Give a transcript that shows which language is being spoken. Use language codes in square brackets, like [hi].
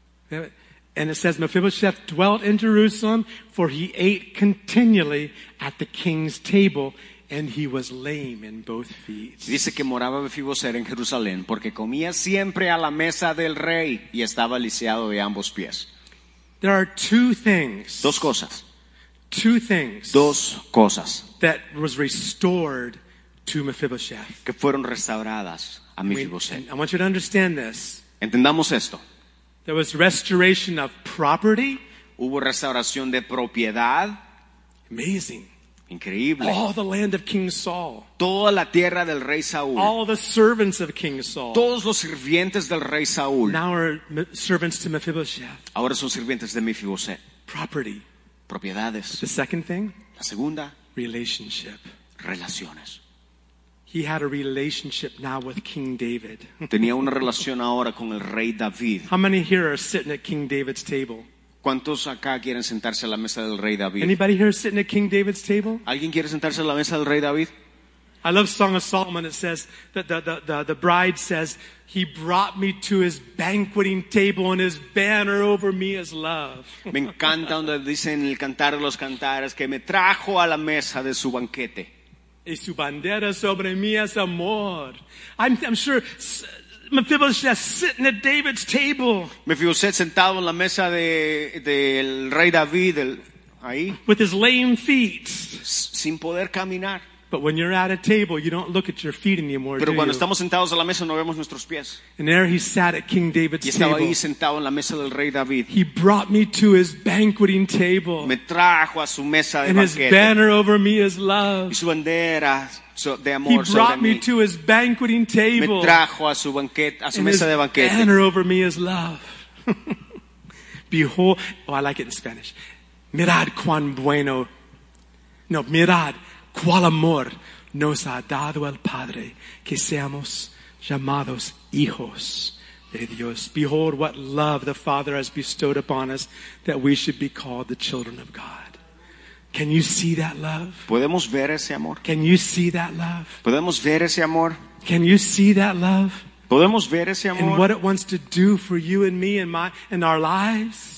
[en] And it says, Mephibosheth dwelt in Jerusalem, for he ate continually at the king's table, and he was lame in both feet. [es] Dice que moraba Mephibosheth en Jerusalén, porque comía siempre a la mesa del rey, y estaba lisiado de ambos pies. [en] There are two things. [es] Dos cosas. [en] Two things. [es] Dos cosas. [en] That was restored to Mephibosheth. [es] Que fueron restauradas a Mephibosheth. [en] I want you to understand this. [es] Entendamos esto. [en] There was restoration of property. [es] Hubo restauración de propiedad. [en] Amazing. [es] Increíble. [en] All the land of King Saul. [es] Toda la tierra del rey Saúl. [en] All the servants of King Saul. [es] Todos los sirvientes del rey Saúl. [en] Now are servants to Mephibosheth. [es] Ahora son sirvientes de Mephibosheth. [en] Property. [es] Propiedades. [en] But the second thing. [es] La segunda. [en] Relationship. [es] Relaciones. [en] He had a relationship now with King David. [es] Tenía una relación ahora con el rey David. [en] How many here are sitting at King David's table? [es] ¿Cuántos acá quieren sentarse a la mesa del rey David? [en] Anybody here sitting at King David's table? [es] ¿Alguien quiere sentarse a la mesa del rey David? [en] I love Song of Solomon. It says that the bride says, "He brought me to his banqueting table, and his banner over me is love." [es] Me encanta donde dicen el cantar de los cantares que me trajo a la mesa de su banquete. Y su bandera sobre mí es amor. [en] I'm sure Mephibosheth sitting at David's table. [es] Mephibosheth sentado en la mesa del rey David, ahí. [en] With his lame feet. [es] Sin poder caminar. [en] But when you're at a table, you don't look at your feet anymore. [es] Pero cuando [en] do you? [es] Estamos sentados a la mesa no vemos nuestros pies. [en] And there he sat at King David's table. [es] Y estaba ahí sentado en la mesa del rey David. [en] He brought me to his banqueting table. [es] Me trajo a su mesa de banquete. [en] And his banner over me is love. [es] Y su bandera de amor. [en] He brought me to his banqueting table. [es] Me trajo a su banquete, a su mesa de banquete. [en] His banner over me is love. Behold, I like it in Spanish. [es] Mirad cuán bueno. No, mirad. ¿Cuál amor nos ha dado el Padre que seamos llamados hijos de Dios? [en] Behold, what love the Father has bestowed upon us that we should be called the children of God. Can you see that love? [es] ¿Podemos ver ese amor? [en] Can you see that love? [es] ¿Podemos ver ese amor? [en] Can you see that love? [es] ¿Podemos ver ese amor? [en] And what it wants to do for you and me and my and our lives?